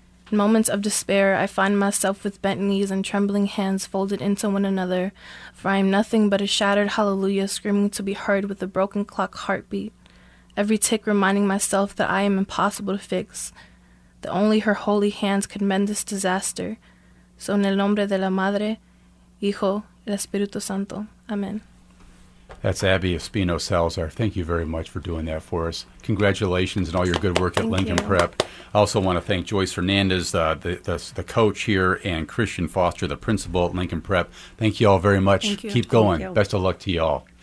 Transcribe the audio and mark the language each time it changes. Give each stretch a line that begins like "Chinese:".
English: In moments of despair, I find myself with bent knees and trembling hands folded into one another, for I am nothing but a shattered hallelujah screaming to be heard with a broken clock heartbeat, every tick reminding myself that I am impossible to fix, that only her holy hands could mend this disaster.
Spanish: So en el nombre de la Madre, Hijo, y Espíritu Santo.
English: Amen. That's Abby Espino Salazar. Thank you very much for doing that for us. Congratulations and all your good work at Lincoln Prep. I also want to thank Joyce Fernandez, the coach here, and Christian Foster, the principal at Lincoln Prep. Thank you all very much. Thank you. Keep going. Thank you. Best of luck to you all.